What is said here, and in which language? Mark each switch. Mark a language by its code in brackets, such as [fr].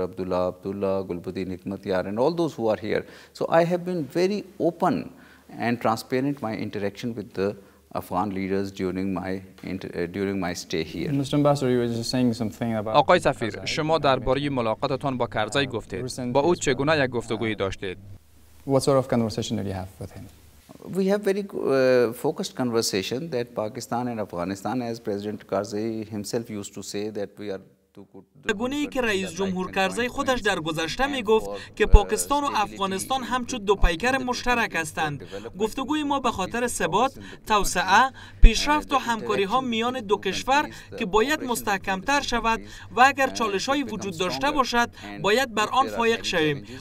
[en] Abdullah Abdullah, Gulbuddin Hikmatyar, and all those who are here. So I have been very open and transparent my interaction with the Afghan leaders during my stay here. Mr. Ambassador, you were just saying something about. [fa] آقای سفیر، شما درباره ملاقاتتان با کرزی گفتید. با او چگونه یک گفتگویی داشتید؟ [en] What sort of conversation did you have with him? We have very focused conversation that Pakistan and Afghanistan, as President Karzai himself used to say, that we are. [fa] گونه ای که رئیس جمهور کرزی خودش در گذشته می گفت که پاکستان و افغانستان همچون دو پیکر مشترک هستند. گفتگوی ما به خاطر ثبات، توسعه، پیشرفت و همکاری ها میان دو کشور که باید مستحکم تر شود و اگر چالش هایی وجود داشته باشد باید بر آن فائق شویم.